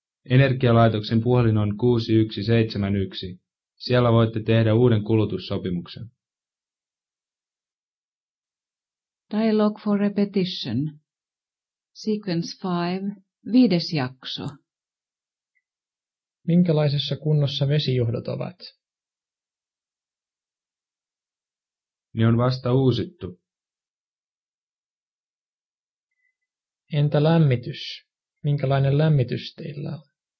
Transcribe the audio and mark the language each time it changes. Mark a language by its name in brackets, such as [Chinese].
[Finnish] Energialaitoksen puhelin on 6171. Siellä voitte tehdä uuden kulutussopimuksen. [English] Dialogue for repetition. Sequence 5. [Finnish] Viides jakso. Minkälaisessa kunnossa vesijohdot ovat? Ne on vasta uusittu. Entä lämmitys? Minkälainen lämmitys teillä on?